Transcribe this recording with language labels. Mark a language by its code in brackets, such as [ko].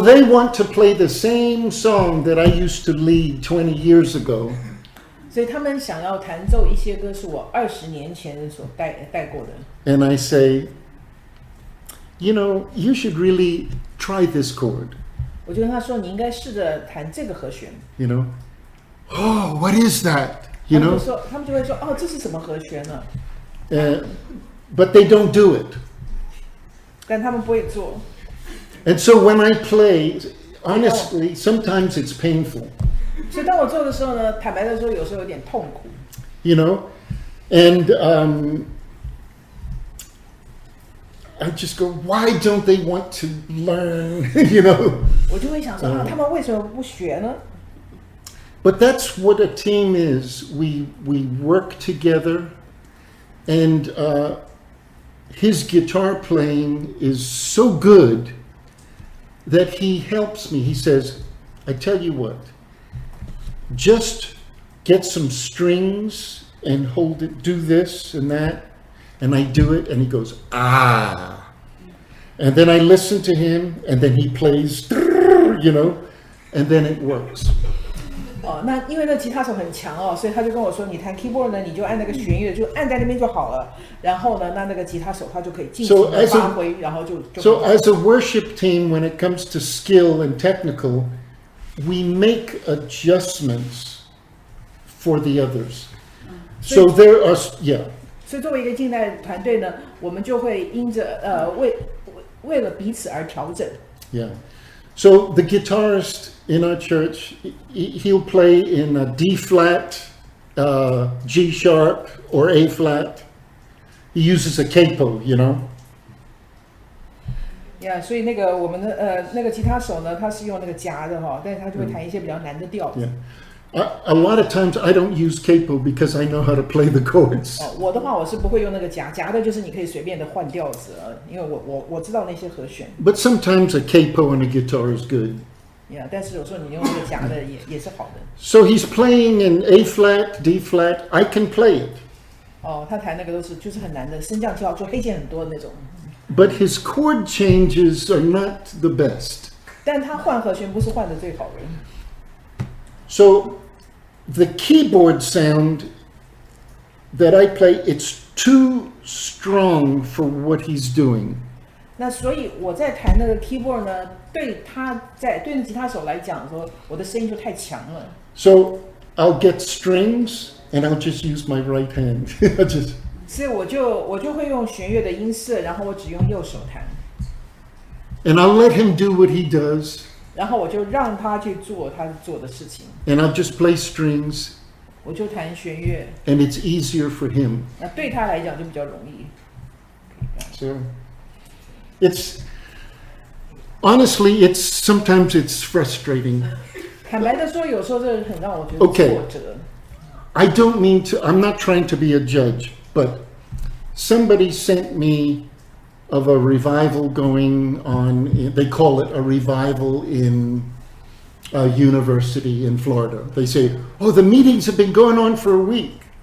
[en] they want to play the same song that I used to lead 20 years ago. [zh] 所以他们想要弹奏一些歌是我20年前所带过的。And [en] I say, you know, you should really try this chord. [zh] 我就跟他说，你应该试着弹这个和弦。You [en] know, oh, what is that? You know, [zh] 他们就会说，哦，这是什么和弦呢？But [en] they don't do it. [zh] 但他们不会做。And [en] so when I play, honestly, sometimes it's painful. [zh] 所以当我做的时候呢，坦白的说，有时候有点痛苦。You [en] know, and I just go, why don't they want to learn, you know? [zh] 我就会想说啊，他们为什么不学呢？ [en] But that's what a team is. We work together, and his guitar playing is so good that he helps me. He says, I tell you what, just get some strings and hold it, do this and that. And I do it, and he goes, ah. And then I listen to him, and then he plays, you know, and then it works. [zh] 哦，那因为那吉他手很强哦，所以他就跟我说，你弹 keyboard 呢，你就按那个弦乐，就按在那边就好了。然后呢，那个吉他手他就可以尽情的发挥，然后就。 [en] So as a worship team, when it comes to skill and technical, we make adjustments for the others. So there are, yeah. [zh] 所以作为一个近代团队呢，我们就会因着为了彼此而调整。 [en] Yeah. So the guitarist in our church, he'll play in a D flat, G sharp, or A flat. He uses a capo, you know. [zh] Yeah, 所以那个我们的那个吉他手呢，他是用那个夹的哈，但是他就会弹一些比较难的调子。 [en] Yeah. A lot of times I don't use capo because I know how to play the chords. [zh] 我的话我是不会用那个夹，夹的就是你可以随便的换调子，因为我知道那些和弦。 [en] But sometimes a capo on a guitar is good. [zh] Yeah, 但是有时候你用那个夹的也是好的。 [en] So he's playing in A flat, D flat. I can play it. [zh] 他弹那个都是就是很难的，升降跳就黑键很多的那种。 [en] But his chord changes are not the best. [zh] 但他换和弦不是换的最好的。 [en] So the keyboard sound that I play, it's too strong for what he's doing. [zh] 那所以我在弹那个 keyboard 呢，对那吉他手来讲说，我的声音就太强了。 [en] So I'll get strings and I'll just use my right hand. [zh] So 我就会用弦乐的音色，然后我只用右手弹。 [en] And I'll let him do what he does. [zh] 然后我就让他去做他做的事情。 [en] And I'll just play strings. [zh] 我就弹弦乐。 [en] And it's easier for him. [zh] 那对他来讲就比较容易。 [en] So, it's honestly, it's sometimes it's frustrating. [zh] 坦白的说，有时候这很让我觉得挫折。 [en] Okay. I don't mean to. I'm not trying to be a judge, but somebody sent me. Of a revival going on, they call it a revival in a university in Florida. They say, "Oh, the meetings have been going on for a week."